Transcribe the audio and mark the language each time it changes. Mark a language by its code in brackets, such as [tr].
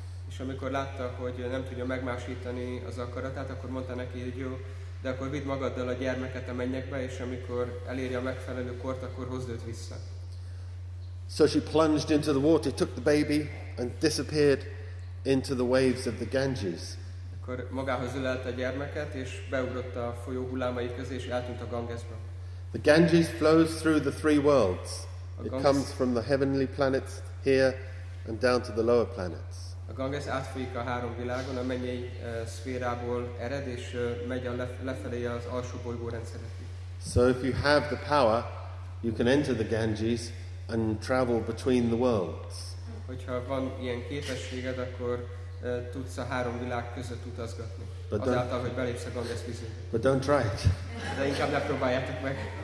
[hu] És amikor látta, hogy nem tudja megmásítani az akaratát, akkor mondta neki, hogy jó, de akkor vidd magaddal a gyermeket a mennyekbe, és amikor eléri a megfelelő kort, akkor hozd őt vissza. [en] So she plunged into the water, took the baby, and disappeared into the waves of the Ganges. [hu] Akkor magához ölelte a gyermeket, és beugrott a folyó hullámai közé, és eltűnt a Gangesbe. [en] The Ganges flows through the three worlds. It comes from the heavenly planets here and down to the lower planets. [hu] A Ganges átfolyik a három világon, a mennyei szférából ered, és megy lefelé az alsó bolygórendszerek. [en] So if you have the power, you can enter the Ganges and travel between the worlds. [hu] Hogyha van ilyen képességed, akkor tudsz a három világ között utazgatni. Azáltal, hogy belépsz a Ganges vízébe. [en] But don't try it. [hu] De inkább ne próbáljátok meg.